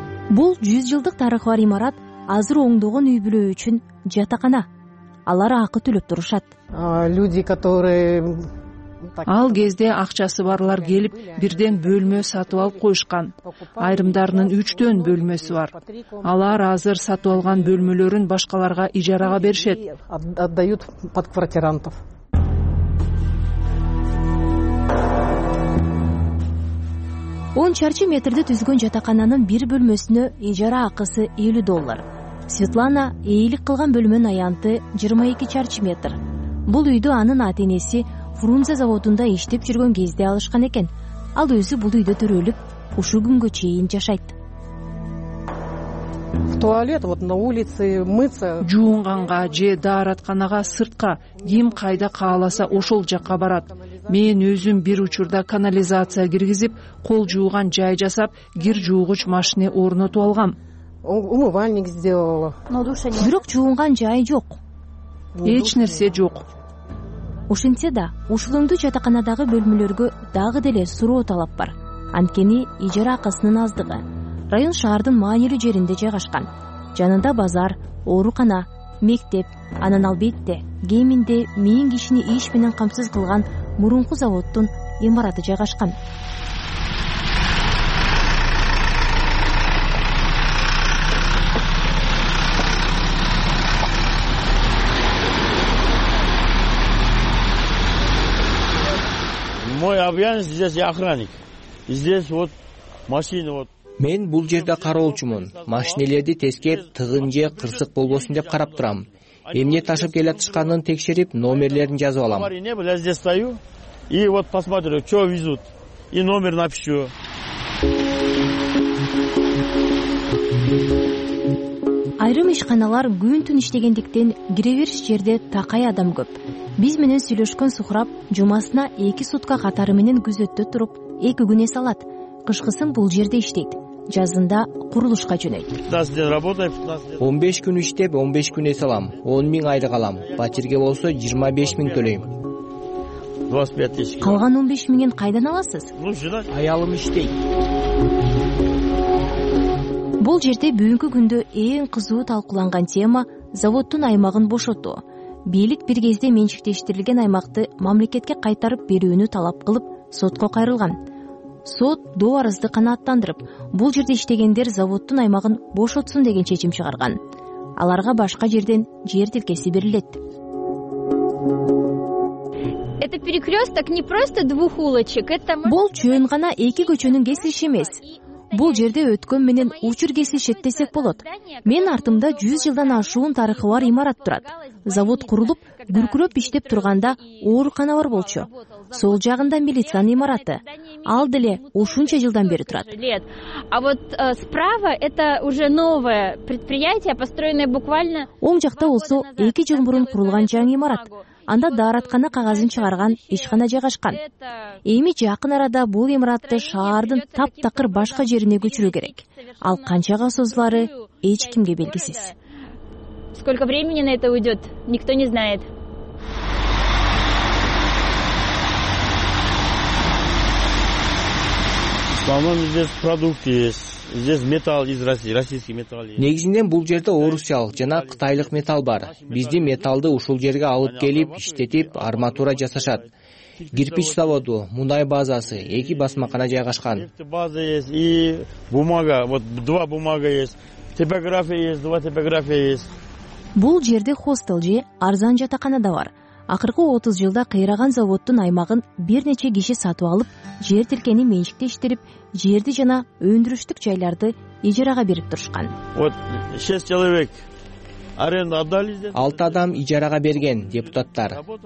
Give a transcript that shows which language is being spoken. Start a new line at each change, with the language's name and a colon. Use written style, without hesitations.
Kyrgyz: Бул 100 жылдык тарыхы бар имарат азыр оңдогон үй бүлө үчүн жатакана. Алар акы төлөп турушат.
Russian: Люди, которые
Kyrgyz: ал кезде акчасы барлар келип, бирден бөлмө сатып алып коюшкан. Айрымдарынын 3-төн бөлмөсү бар. Алар азыр сатып алган бөлмөлөрүн башкаларга ижарага беришет.
Russian: Отдают под квартирантов.
Kyrgyz: Он чарчы метрди түзгөн жатакананын бир бөлмөсүнө ижара акысы $50. Светлана ээлик кылган бөлмөнүн аянты 22 чарчы метр. Бул үйдү анын атенеси Фрунзе заводунда иштеп жүргөн кезде алышкан экен. Ал өзү бул үйдө төрөлүп, ушул күнгө чейин жашайт.
Russian: Туалет вот на улице мыться.
Kyrgyz: Жуунганга же дааратканага сыртка ким кайда кааласа ошол жакка барат. Мен өзүм бир учурда канализация киргизип, кол жууган жай жасап, кир жуугуч машине орнотуп алгам.
Russian: Умывальник сделала. Но душа нет.
Kyrgyz: Бирок жуунган жай жок. Эч нерсе жок. Ошентсе да, ушулуңду жатаканадагы бөлмөлөргө дагы деле суроо талап бар. Анткени ижара акысынын аздыгы. Район шаардын маанилүү жеринде жайгашкан. Жанында базар, оорукана, мектеп, анан албетте кеминде миң кишини иш менен камсыз кылган мурунку заводдун имараты жайгашкан.
Russian: Мой обязанность здесь я охранник. Здесь вот машина вот.
Kyrgyz: Мен бул жерде кароолчумун. Машинелерди тескеп, тыгын же кырсык болбосун деп карап турам. Эмне ташып келе жатканын текшерип, номерлерин жазып алам.
Russian: Я здесь стою и вот посмотрю, что везут и номер напишу.
Kyrgyz: Айрым ишканалар күн-түн иштегендиктен кирериш жерде такай адам көп. Биз менен сүйлөшкөн Сухрап жумасына 2 сутка катары менен күзөттө туруп, 2 күн эс алат. Кышкысын бул жерде иштейт. Жазында курулушка жөнөйт. 15 күн иштеп 15 күн эс алам. 10,000 айлык алам. Батирге болсо 25,000 төлөйм. Калган 15,000 кайдан аласыз? Аялым иштейт. Бул жерде бүгүнкү күндө эң кызуу талкууланган тема заводдун аймагын бошотуу. Бийлик бир кезде менчиктештирилген аймакты мамлекетке кайтарып берүүнү талап кылып сотко кайрылган. Сот доо арызды канааттандырып, бул жерде иштегендер заводдун аймагын бошотсун деген чечим чыгарган. Аларга башка жерден жер тилкеси берилет.
Russian: Это перекрёсток не просто двух улочек, это
Kyrgyz: бул чөйүн гана эки көчөнүн кесилиши эмес. Бул жерде өткөн менен учур кесилишет десек болот. Мен артымда 100 жылдан ашуун тарыхы бар имарат турат. Завод курулуп, күркүрөп иштеп турганда оорукана бар болчу. Сол жагында милициянын имараты. Ал деле ушунча жылдан бери турат.
Russian: А вот справа это уже новое предприятие, построенное буквально
Kyrgyz: оң жакта болсо 2 жыл мурун курулган жаңы имарат. Анда дааратканы кагазын чыгарган ишкана жайгашкан. Эми жакын арада бул имаратты шаардын таптакыр башка жерине көчүрүү керек. Ал канчага созулары эч кимге белгисиз.
Russian: Сколько времени на это уйдет, никто не знает. В основном здесь продукты есть. Здесь металл из России, российский металл есть.
Kyrgyz: Негизинен бул жерде орусчал жана кытайлык металл бар. Бизди металлды ушул жерге алып келип, иштетип, арматура жасашат. кирпич заводу, мунай базасы, эки басмакана жайгашкан.
Russian: База есть и бумага, вот два бумага есть. Типография есть, два типография есть.
Kyrgyz: Бул жерде хостел же, арзан жатакана да бар. Акыркы 30 жылда кыйраган заводтун аймагын бир нече киши сатып алып, жер тилкени менчиктештирип, жерди жана өндүрүштүк жайларды ижарага берип турушкан.
Russian: Вот 6 человек.
Kyrgyz: Алты адам ижарага берген, депутаттар.